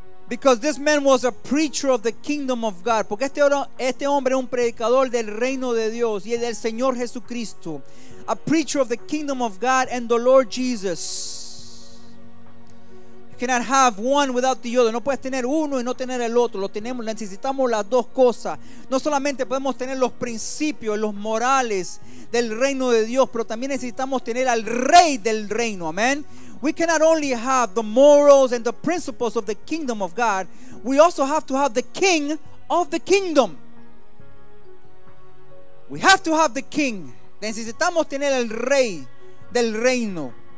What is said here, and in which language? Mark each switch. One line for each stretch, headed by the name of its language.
English: Because this man was a preacher of the kingdom of God.
Spanish: Porque este hombre es un predicador del reino de Dios y del Señor Jesucristo.
English: A preacher of the kingdom of God and the Lord Jesus. You cannot have one without the other.
Spanish: No puedes tener uno y no tener el otro. Lo tenemos, necesitamos las dos cosas. No solamente podemos tener los principios, los morales del reino de Dios, pero también necesitamos tener al Rey del reino. Amén.
English: We cannot only have the morals and the principles of the kingdom of God. We also have to have the king of the kingdom. We have to have the king.
Spanish: Necesitamos tener el rey del reino.